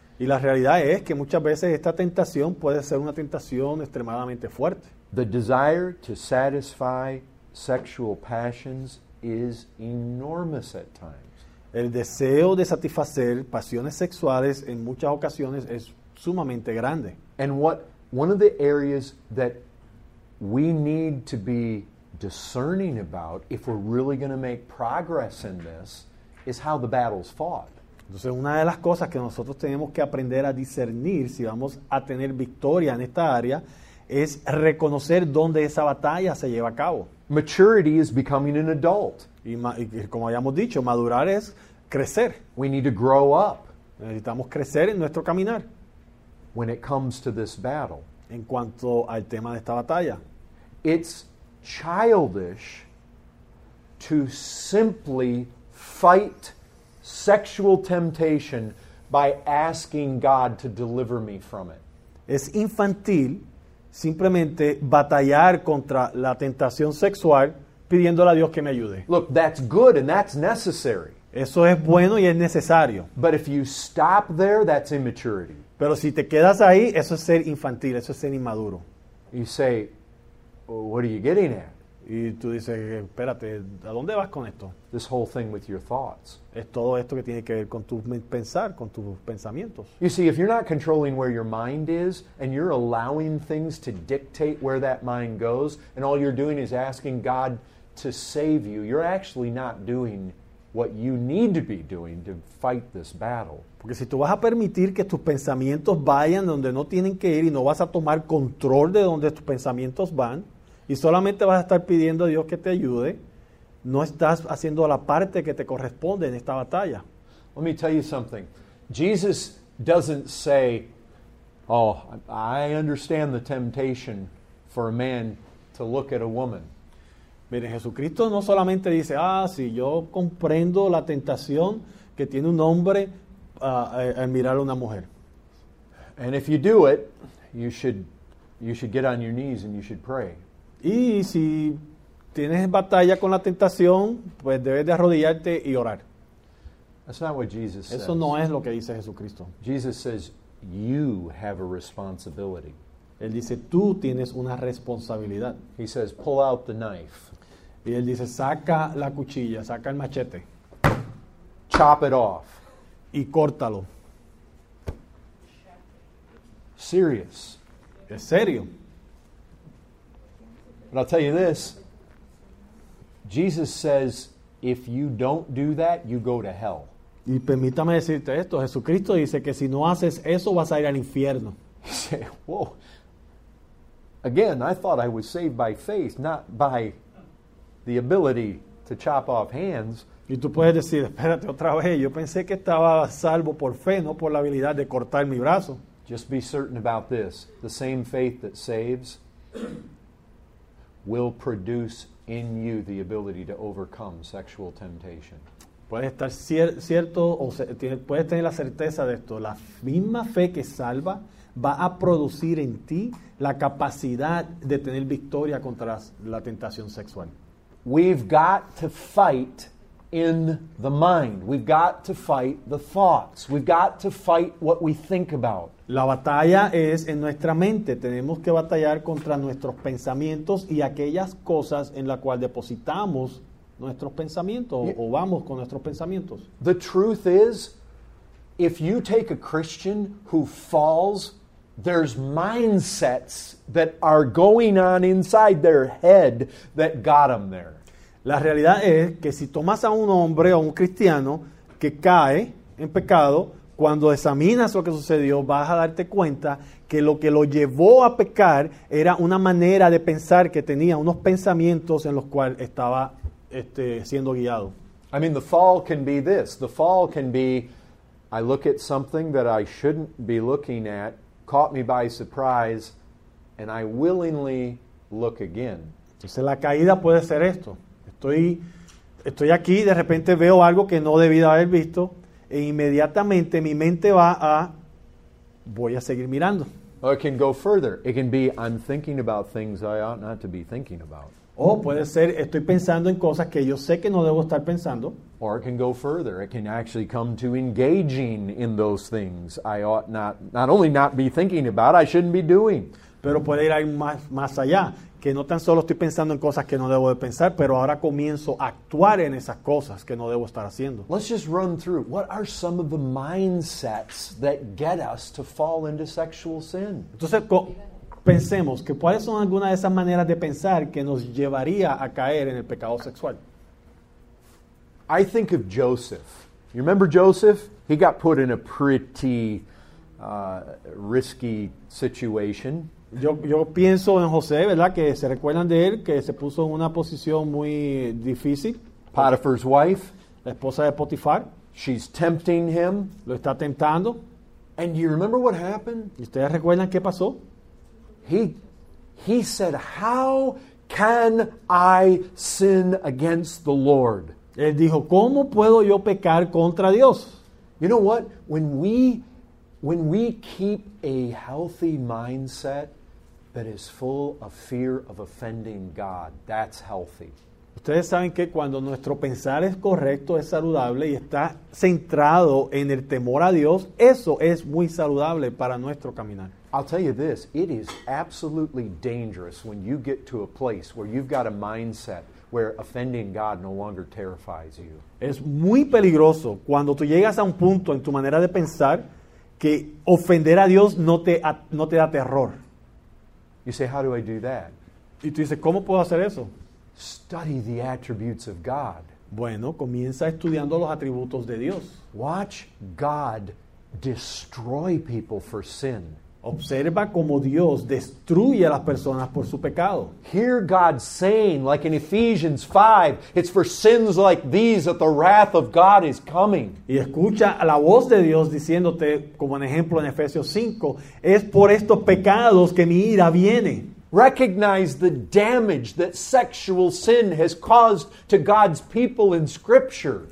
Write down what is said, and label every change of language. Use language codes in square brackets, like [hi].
[es] Y la realidad es que muchas veces esta tentación puede ser una tentación extremadamente fuerte. [en] The desire to satisfy sexual passions is enormous at times. [es] El deseo de satisfacer pasiones sexuales en muchas ocasiones es sumamente grande. [en] And what one of the areas that we need to be discerning about if we're really going to make progress in this is how the battle's fought. [es] Entonces, una de las cosas que nosotros tenemos que aprender a discernir si vamos a tener victoria en esta área es reconocer dónde esa batalla se lleva a cabo. [en] Maturity is becoming an adult. [es] Y como habíamos dicho, madurar es crecer. [en] We need to grow up. [es] Necesitamos crecer en nuestro caminar. [en] When it comes to this battle. [es] En cuanto al tema de esta batalla. [en] It's childish to simply fight sexual temptation by asking God to deliver me from it. [es] Es infantil simplemente batallar contra la tentación sexual pidiéndole a Dios que me ayude. [en] Look, that's good and that's necessary. [es] Eso es bueno y es necesario. [en] But if you stop there, that's immaturity. [es] Pero si te quedas ahí, eso es ser infantil, eso es ser inmaduro. [en] You say, what are you getting at? [es] Y tú dices, espérate, ¿a dónde vas con esto? [en] This whole thing with your thoughts. [es] Es todo esto que tiene que ver con tu pensar, con tus pensamientos. [en] You see, if you're not controlling where your mind is, and you're allowing things to dictate where that mind goes, and all you're doing is asking God to save you, you're actually not doing what you need to be doing to fight this battle. [es] Porque si tú vas a permitir que tus pensamientos vayan donde no tienen que ir y no vas a tomar control de donde tus pensamientos van, y solamente vas a estar pidiendo a Dios que te ayude, no estás haciendo la parte que te corresponde en esta batalla. [en] Let me tell you something. Jesus doesn't say, oh, I understand the temptation for a man to look at a woman. [es] Mire, Jesucristo no solamente dice, ah, sí, yo comprendo la tentación que tiene un hombre a mirar a una mujer. [en] And if you do it, you should get on your knees and you should pray. [es] Y si tienes batalla con la tentación, pues debes de arrodillarte y orar. [en] That's not what Jesus [es] Eso [en] says. [es] No es lo que dice Jesucristo. [en] Jesus says, you have a responsibility. [es] Él dice, tú tienes una responsabilidad. [en] He says, pull out the knife. [es] Y él dice, saca la cuchilla, saca el machete. [en] Chop it off. [es] Y córtalo. [en] Serious. [es] Es serio. [en] But I'll tell you this, Jesus says, if you don't do that, you go to hell. [es] Y permítame decirte esto, Jesucristo dice que si no haces eso, vas a ir al infierno. [en] He said, whoa, again, I thought I was saved by faith, not by the ability to chop off hands. [es] Y tú puedes decir, espérate otra vez, yo pensé que estaba salvo por fe, no por la habilidad de cortar mi brazo. [en] Just be certain about this, the same faith that saves will produce in you the ability to overcome sexual temptation. [es] Puede estar cierto o puedes tener la certeza de esto. La misma fe que salva va a producir en ti la capacidad de tener victoria contra la tentación sexual. [en] We've got to fight in the mind. We've got to fight the thoughts. We've got to fight what we think about. [es] La batalla es en nuestra mente. Tenemos que batallar contra nuestros pensamientos y aquellas cosas en las cuales depositamos nuestros pensamientos o vamos con nuestros pensamientos. [en] The truth is, if you take a Christian who falls, there's mindsets that are going on inside their head that got them there. [es] La realidad es que si tomas a un hombre o un cristiano que cae en pecado, cuando examinas lo que sucedió, vas a darte cuenta que lo que lo llevó a pecar era una manera de pensar que tenía, unos pensamientos en los cuales estaba siendo guiado. [en] I mean, the fall can be this. The fall can be, I look at something that I shouldn't be looking at, caught me by surprise, and I willingly look again. [es] Entonces, la caída puede ser esto. Estoy aquí, de repente veo algo que no debí de haber visto, e inmediatamente mi mente va a, voy a seguir mirando. [en] Or it can go further. It can be, I'm thinking about things I ought not to be thinking about. [es] O puede ser, estoy pensando en cosas que yo sé que no debo estar pensando. [en] Or it can go further. It can actually come to engaging in those things I ought not only not be thinking about, I shouldn't be doing. [es] Pero puede ir más allá, que no tan solo estoy pensando en cosas que no debo de pensar, pero ahora comienzo a actuar en esas cosas que no debo estar haciendo. [en] Let's just run through. What are some of the mindsets that get us to fall into sexual sin? [es] Entonces, pensemos que cuáles son algunas de esas maneras de pensar que nos llevaría a caer en el pecado sexual. [en] I think of Joseph. You remember Joseph? He got put in a pretty risky situation. [es] Yo pienso en José, ¿verdad? Que se recuerdan de él, que se puso en una posición muy difícil. [en] Potiphar's wife. [es] La esposa de Potifar. [en] She's tempting him. [es] Lo está tentando. [en] And you remember what happened? [es] ¿Y ustedes recuerdan qué pasó? [en] He said, "How can I sin against the Lord?" [es] Él dijo, ¿cómo puedo yo pecar contra Dios? [en] You know what? When we keep a healthy mindset that is full of fear of offending God, that's healthy. [es] Ustedes saben que cuando nuestro pensar es correcto, es saludable y está centrado en el temor a Dios, eso es muy saludable para nuestro caminar. [en] I'll tell you this, it is absolutely dangerous when you get to a place where you've got a mindset where offending God no longer terrifies you. [es] Es muy peligroso cuando tú llegas a un punto en tu manera de pensar que ofender a Dios no te da terror. [en] You say, how do I do that? [es] Y tú dices, ¿cómo puedo hacer eso? [en] Study the attributes of God. [es] Bueno, comienza estudiando los atributos de Dios. [en] Watch God destroy people for sin. [es] Observa cómo Dios destruye a las personas por su pecado. [en] Hear God saying, like in Ephesians 5, it's for sins like these that the wrath of God is coming. [es] Y escucha la voz de Dios diciéndote, como un ejemplo en Efesios 5, es por estos pecados que mi ira viene. [en] Recognize the damage that sexual sin has caused to God's people in Scripture.